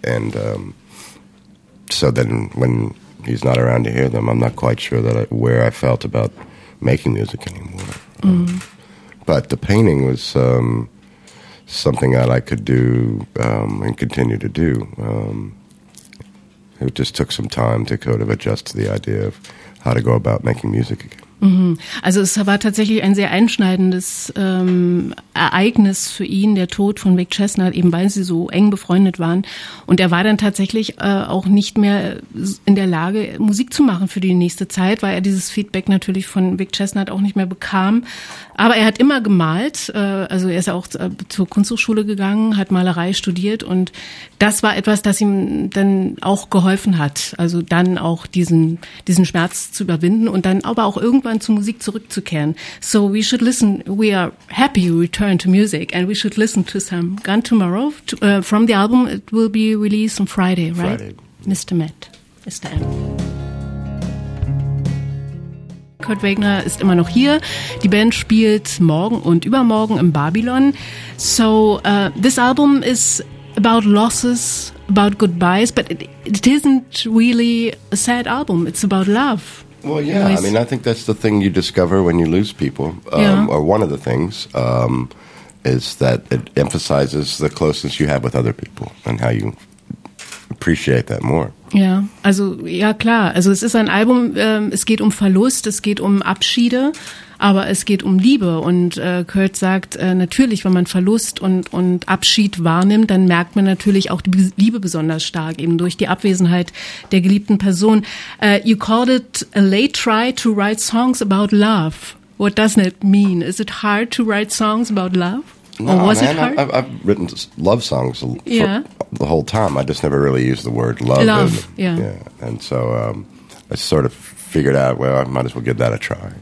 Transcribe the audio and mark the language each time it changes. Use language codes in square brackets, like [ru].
[en] And so then when he's not around to hear them, I'm not quite sure where I felt about making music anymore. Mm-hmm. But the painting was something that I could do and continue to do. It just took some time to kind of adjust to the idea of how to go about making music again. Mhm. [de] Also es war tatsächlich ein sehr einschneidendes Ereignis für ihn, der Tod von Vic Chesnutt, eben weil sie so eng befreundet waren. Und er war dann tatsächlich auch nicht mehr in der Lage, Musik zu machen für die nächste Zeit, weil er dieses Feedback natürlich von Vic Chesnutt auch nicht mehr bekam. Aber er hat immer gemalt, also er ist auch zur Kunsthochschule gegangen, hat Malerei studiert, und das war etwas, das ihm dann auch geholfen hat, also dann auch diesen Schmerz zu überwinden und dann aber auch irgendwann zur Musik zurückzukehren. [en] So we should listen, we are happy you return to music, and we should listen to some Gone Tomorrow from the album. It will be released on Friday, right? Friday. Mr. M. [de] Kurt Wagner ist immer noch hier. Die Band spielt morgen und übermorgen im Babylon. [en] So this album is about losses, about goodbyes, but it isn't really a sad album. It's about love. Well, yeah. I mean, I think that's the thing you discover when you lose people, yeah. Or one of the things is that it emphasizes the closeness you have with other people and how you appreciate that more. [de] Ja, also ja klar, also es ist ein Album, es geht um Verlust, es geht um Abschiede, aber es geht um Liebe, und Kurt sagt, natürlich, wenn man Verlust und Abschied wahrnimmt, dann merkt man natürlich auch die Liebe besonders stark, eben durch die Abwesenheit der geliebten Person. [en] You called it a late try to write songs about love. What does that mean? Is it hard to write songs about love? No, I've written love songs the whole time. I just never really used the word love. Love, And so I sort of figured out, well, I might as well give that a try.